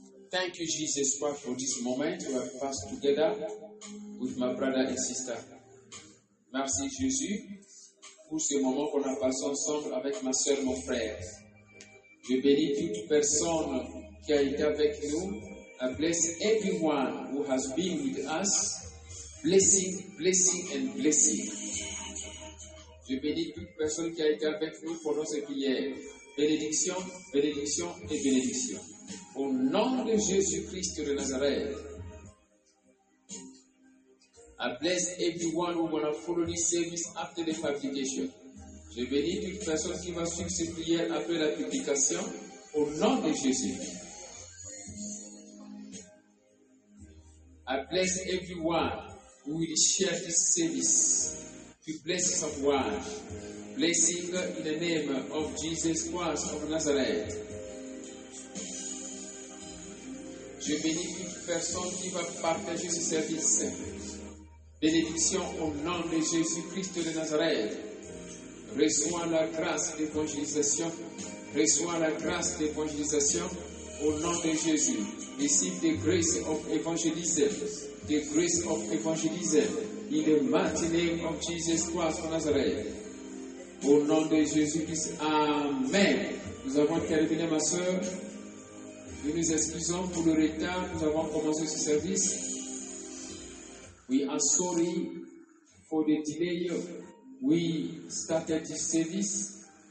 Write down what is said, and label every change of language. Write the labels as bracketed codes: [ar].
[en] Thank you, Jesus Christ, for this moment we have passed together with my brother and sister. [fr] Merci, Jésus, pour ce moment qu'on a passé ensemble avec ma soeur, mon frère. Je bénis toute personne qui a été avec nous. [en] I bless everyone who has been with us. Blessing, blessing, and blessing. [fr] Je bénis toute personne qui a été avec nous pendant ces prières. Bénédiction, bénédiction, et bénédiction. Au nom de Jésus-Christ de Nazareth. [en] I bless everyone who will follow this service after the publication. [fr] Je bénis toute personne qui va suivre ces prières après la publication. Au nom de Jésus. [en] I bless everyone who will share this service. To bless someone. Blessing in the name of Jesus Christ of Nazareth. [fr] Je bénis toute personne qui va partager ce service. Bénédiction au nom de Jésus-Christ de Nazareth. Reçois la grâce d'évangélisation. Reçois la grâce d'évangélisation au nom de Jésus. [en] Receive the grace of evangelism. The grace of evangelism. In the mighty name of Jesus Christ of Nazareth. [fr] Au nom de Jésus-Christ. Amen. Nous avons terminé, ma soeur. Nous nous excusons pour le retard. Nous avons commencé ce service. [en] We are sorry for the delay. We started this service.